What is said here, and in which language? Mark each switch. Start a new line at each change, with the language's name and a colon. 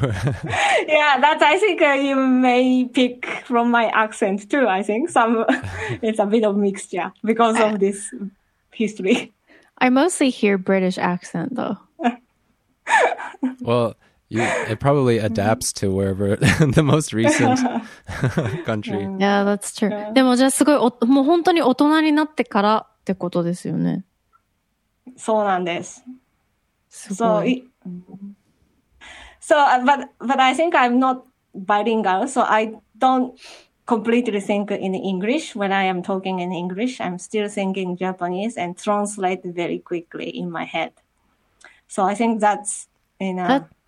English: Yeah, that I think you may pick from my accent too, I think. Some, it's a bit of mixture because of this history. I mostly hear British accent, though. Well, it probably adapts to wherever the most recent country. Yeah, that's true.
Japanese: でもじゃあすごい、もう本当に大人になってからってことですよね。そうなんです。
English: So, but I think I'm not bilingual, so I don't completely think in English when I am talking in English. I'm still thinking Japanese and translate very quickly in my head. So I think that's in a...